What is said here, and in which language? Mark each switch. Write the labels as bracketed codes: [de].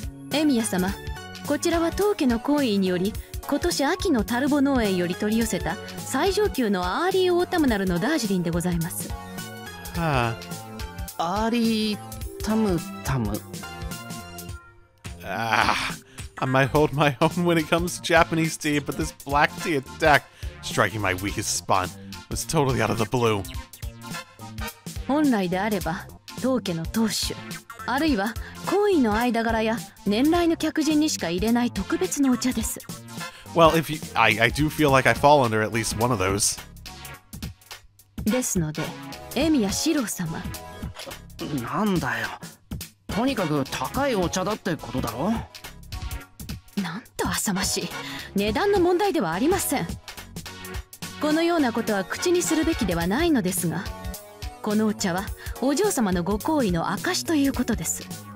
[ja] Illya-sama, こちらは当家の好意により今年秋のタルボ農園より取り寄せた最上級のアーリーオータムナルのダージリンでございます。アーリータムタム。 [en] I might hold my own when it comes to Japanese tea, but this black tea attack striking my weakest spot was totally out of the blue. [ja] 本来であれば、当家の当主、あるいは好意の間柄や年来の客人にしか入れない特別のお茶です。 [en] Well, if you, I do feel like I fall under at least one of those. [ja] ですので、エミヤ・シロー様。なんだよ。とにかく高いお茶だってことだろ。なんと浅ましい。値段の問題ではありません。このようなことは口にするべきではないのですが、このお茶はお嬢様のご好意の証ということです。